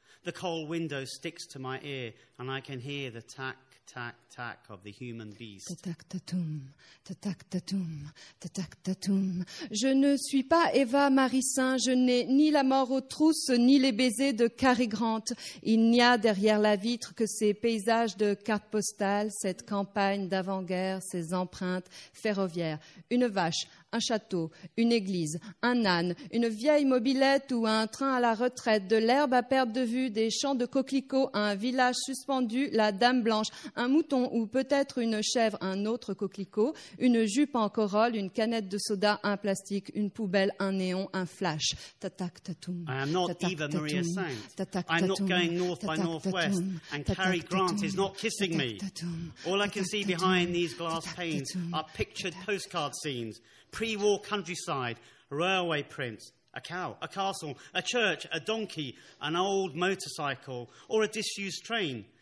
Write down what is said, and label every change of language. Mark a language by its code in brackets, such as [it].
[en] The cold window sticks to my ear, and I can hear the tack, tack, tack of the human beast. Tatac tatoum, tatac tatoum, tatac tatoum. [fr] Je ne suis pas Eva Marie Saint, je n'ai ni la mort aux trousses, ni les baisers de Cary Grant. Il n'y a derrière la vitre que ces paysages de cartes postales, cette campagne d'avant-guerre, ces empreintes ferroviaires. Une vache, un château, une église, un âne, une vieille mobilette ou un train à la retraite, de l'herbe à perte de vue, des champs de coquelicots, un village suspendu, la dame blanche, un mouton ou peut-être une chèvre, un autre coquelicot, une jupe en corolle, une canette de soda, un plastique, une poubelle, un néon, un flash. Tatac tatoum. [en] I am not Eva Maria Saint. I'm not going north by northwest, and Cary Grant is not kissing me. All I can see behind these glass panes are pictured postcard scenes. Pre-war countryside, railway prints, a cow, a castle, a church, a donkey, an old motorcycle, or a disused train.